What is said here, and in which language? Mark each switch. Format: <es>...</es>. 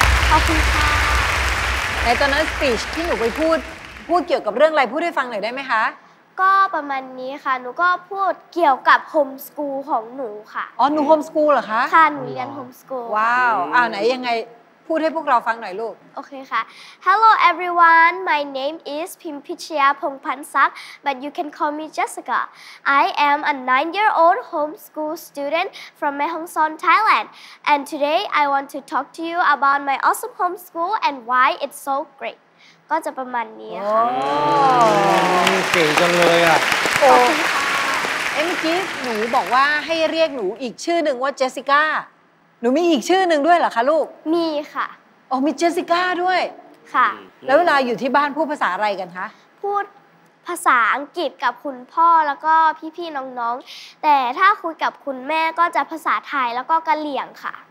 <th>ขอบคุณค่ะ ในตอนนั้นสปีชที่หนูไปพูดเกี่ยวกับเรื่องอะไรพูดให้ฟังหน่อยได้ไหมคะ ก็ประมาณนี้ค่ะหนูก็พูดเกี่ยวกับโฮมสกูลของหนูค่ะ อ๋อหนูโฮมสกูลเหรอคะ ค่ะหนูเรียนโฮมสกูล ว้าวอ้าวไหนยังไงพูดให้พวกเราฟังหน่อยลูก โอเคค่ะ</th> <en>Hello everyone my name is Pimpichaya Pongphansak but you can call me Jessica I am a 9 year old homeschool student from Mae Hong Son Thailand and today I want to talk to you about my awesome homeschool and why it's so great</en> <th>ก็จะประมาณนี้ค่ะ โอ้เก่งจังเลยอ่ะ โอ้ เมื่อกี้หนูบอกว่าให้เรียกหนูอีกชื่อหนึ่งว่า Jessicaหนูมีอีกชื่อหนึ่งด้วยเหรอคะลูก มีค่ะ อ๋อมีเจสสิก้าด้วย ค่ะ แล้วเวลาอยู่ที่บ้านพูดภาษาอะไรกันคะ พูด ภาษาอังกฤษกับคุณพ่อแล้วก็พี่ๆน้องๆแต่ถ้าคุยกับคุณแม่ก็จะภาษาไทยแล้วก็กะเหรี่ยงค่ะ</th>